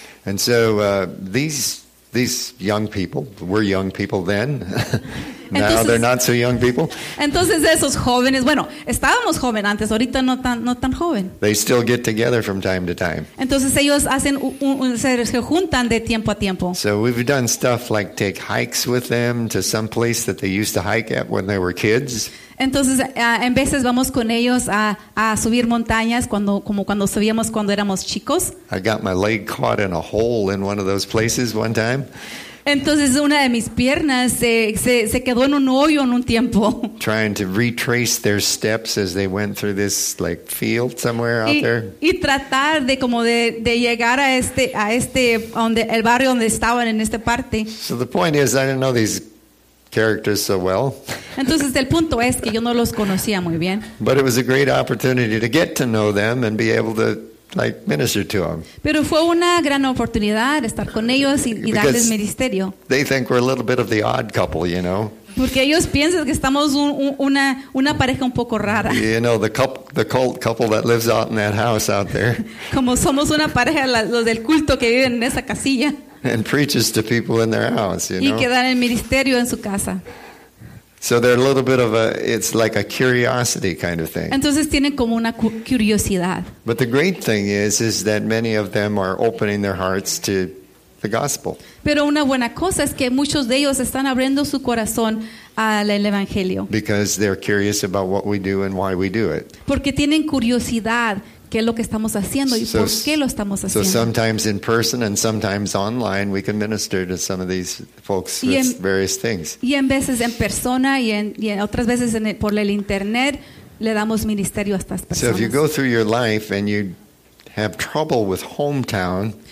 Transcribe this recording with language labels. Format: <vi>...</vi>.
<en>And so these young people were young people then. Now</en> <es>entonces,</es> <en>they're not so young people.</en> <es>Entonces esos jóvenes, bueno, estábamos jóvenes antes, ahorita no tan joven.</es> <en>They still get together from time to time.</en> <es>Entonces ellos hacen se juntan de tiempo a tiempo.</es> <en>So we've done stuff like take hikes with them to some place that they used to hike at when they were kids.</en> <es>Entonces en veces vamos con ellos a subir montañas cuando subíamos cuando éramos chicos.</es> <en>I got my leg caught in a hole in one of those places one time.</en> <es>Entonces una de mis piernas se quedó en un hoyo en un tiempo.</es> <en>Trying to retrace their steps as they went through this like field somewhere out there.</en> <es>Y tratar de como de llegar a este donde el barrio donde estaban en esta parte.</es> <en>So the point is, I didn't know these characters so well.</en> <es>Entonces el punto es que yo no los conocía muy bien.</es> <en>But it was a great opportunity to get to know them and be able to like minister to them.</en> <es>Pero fue una gran oportunidad estar con ellos y darles ministerio.</es> <en>They think we're a little bit of the odd couple, you know.</en> <es>Porque ellos piensan que estamos una pareja un poco rara.</es> <en>You know, the cult couple that lives out in that house out there.</en> <es>Como somos una pareja los del culto que viven en esa casilla.</es> <en>And preaches to people in their house, you know.</en> <es>Y que dan el ministerio en su casa.</es> <en>So they're a little bit of it's like a curiosity kind of thing.</en> <es>Entonces tienen como una curiosidad.</es> <en>But the great thing is that many of them are opening their hearts to the gospel.</en> <es>Pero una buena cosa es que muchos de ellos están abriendo su corazón al evangelio.</es> <en>Because they're curious about what we do and why we do it.</en> <es>Porque tienen curiosidad qué es lo que estamos haciendo y por qué lo estamos haciendo.</es> <en>So sometimes in person and sometimes online we can minister to some of these folks with various things.</en> <es>Y en veces en persona y en otras veces por el internet le damos ministerio a estas personas.</es> <en>So if you go through your life and you have trouble with hometown.</en>